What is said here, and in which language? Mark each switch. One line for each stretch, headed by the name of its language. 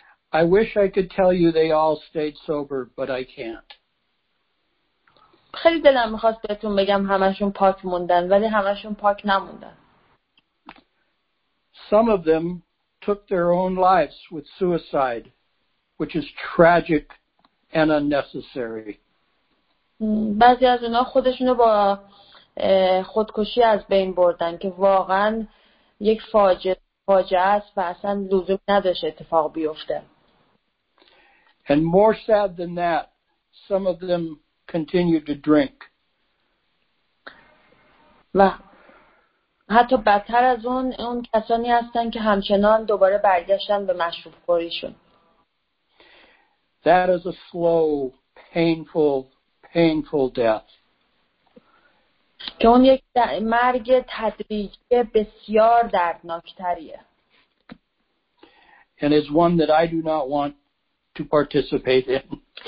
English: I wish I could tell you they all stayed sober, but I can't.
Persian: خیلی دلم می‌خواست بهتون بگم همه‌شون پاک موندن، ولی همه‌شون پاک نموندن.
English: Some of them took their own lives with suicide, which is tragic and unnecessary.
Persian: بعضی از اونا خودشونو با خودکشی از بین بردن که واقعا یک فاجعه است و اصلا لزوم نداشت اتفاق بیفته.
English: And more sad than that, some of them continued to drink.
Persian: و حتی بدتر از اون کسانی هستن که همچنان دوباره برگشتن به مشروب خوریشون.
English: That is a slow, painful, painful death.
Persian: که اون یک مرگ تدریجی بسیار دردناکتریه.
English: And it's one that I do not want to participate in.